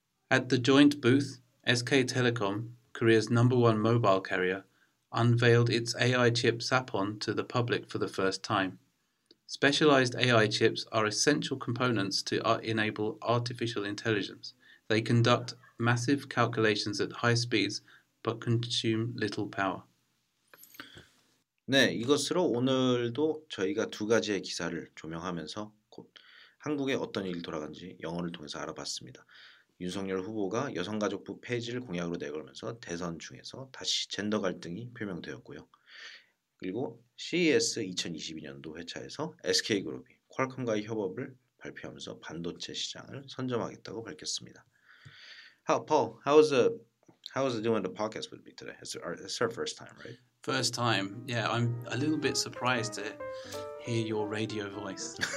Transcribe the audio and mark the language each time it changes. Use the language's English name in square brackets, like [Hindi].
[English] At the joint booth, SK Telecom, Korea's number one mobile carrier, unveiled its AI chip Sapon to the public for the first time. Specialized AI chips are essential components to enable artificial intelligence. They conduct massive calculations at high speeds, but consume little power. [Korean] 네, 이것으로 오늘도 저희가 두 가지의 기사를 조명하면서 곧 한국에 어떤 일이 돌아간지 영어를 통해서 알아봤습니다. 윤석열 후보가 여성가족부 폐지를 공약으로 내걸면서 대선 중에서 다시 젠더 갈등이 표명되었고요. 그리고 CES 2022년도 회차에서 SK그룹이 퀄컴과의 협업을 발표하면서 반도체 시장을 선점하겠다고 밝혔습니다. [English] Paul, how's doing the podcast with me today? It's our first time, right? First time. Yeah, I'm a little bit surprised to hear your radio voice.